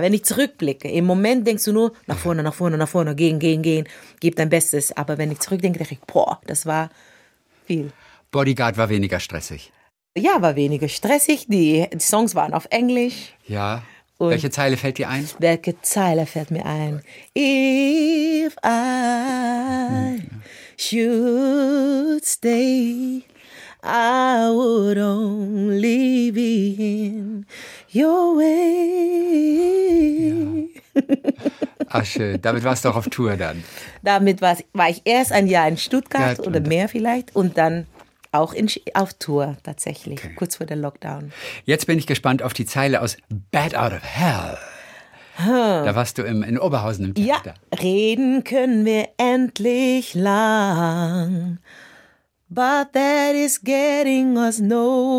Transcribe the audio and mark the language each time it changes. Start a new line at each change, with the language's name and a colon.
German: Wenn ich zurückblicke, im Moment denkst du nur, nach vorne, gehen, gib dein Bestes. Aber wenn ich zurückdenke, denke ich, boah, das war viel. Bodyguard war weniger stressig. Ja, war weniger stressig. Die Songs waren auf Englisch. Ja. Und welche Zeile fällt dir ein? Welche Zeile fällt mir ein?
English: If I should stay, I would only be in your way.
German: Ja. Ach, schön. Damit warst du auch auf Tour dann. Damit war ich erst ein Jahr in Stuttgart oder mehr vielleicht und dann auch auf Tour tatsächlich, okay. kurz vor der Lockdown. Jetzt bin ich gespannt auf die Zeile aus Bad Out of Hell. Da warst du in Oberhausen im Theater. Ja, reden können wir endlich lang.
English: But that is getting us nowhere.